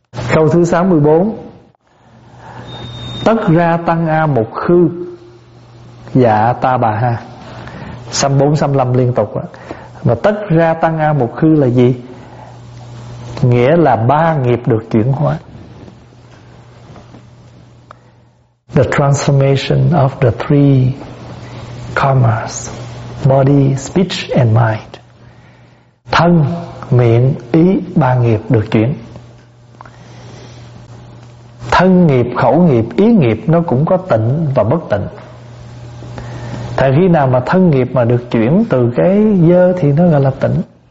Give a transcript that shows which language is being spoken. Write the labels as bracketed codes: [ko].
[vi] Câu thứ 64. Tất ra tăng a mục khư dạ Ta Bà Ha. 64, 65 liên tục đó. Mà tất ra tăng a mục khư là gì? Nghĩa là ba nghiệp được chuyển hóa. [en] The transformation of the three karmas, body, speech and mind. [vi] Thân, miệng, ý, ba nghiệp được chuyển. Thân nghiệp, khẩu nghiệp, ý nghiệp nó cũng có tịnh và bất tịnh. Tại khi nào mà thân nghiệp mà được chuyển từ cái dơ thì nó gọi là tịnh.